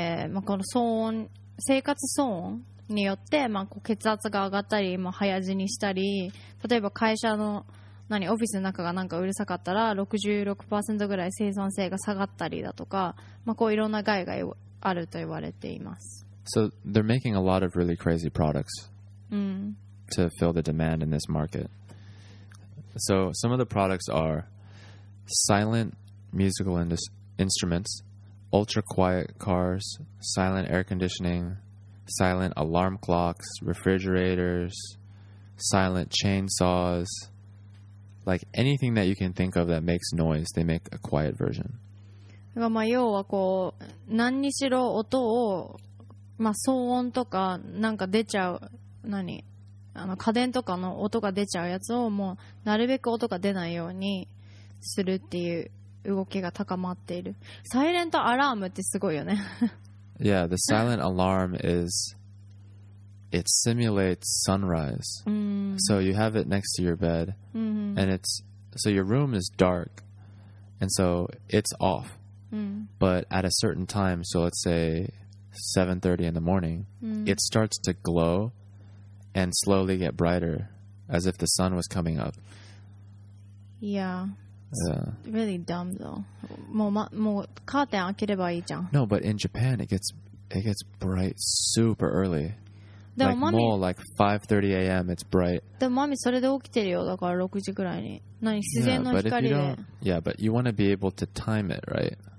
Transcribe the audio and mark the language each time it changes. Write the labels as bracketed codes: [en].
[ja] まあ、この騒音、生活騒音によって、まあ、こう血圧が上がったり、まあ、早死にしたり、例えば会社の何オフィスの中がなんかうるさかったら 66% ぐらい生産性が下がったりだとか、まあ、こういろんな害があると言われています。 [en] So they're making a lot of really crazy products to fill the demand in this marketSo, some of the products are silent musical instruments, ultra-quiet cars, silent air conditioning, silent alarm clocks, refrigerators, silent chainsaws, like anything that you can think of that makes noise, they make a quiet version. [ja] まあ要はこう、何にしろ音を、まあ、騒音とかなんか出ちゃう、何あの家電とかの音が出ちゃうやつをもうなるべく音が出ないようにするっていう動きが高まっている。サイレントアラームってすごいよね。 [en] Yeah, the silent alarm is it simulates sunrise. Mm-hmm. So you have it next to your bed, mm-hmm. and it's, so your room is dark, and so it's off. Mm. But at a certain time, so let's say 7:30 in the morning, it starts to glow and slowly get brighter as if the sun was coming up. Yeah. Yeah. Really dumb though. [ja] もうカーテン開ければいいじゃん。 [en] No, but in Japan it gets bright super early. Like 5:30 a.m. it's bright. [ja] でもマミそれで起きてるよ。だから6時くらいに。何、自然の光で。 [en] Yeah, but you want to be able to time it, right?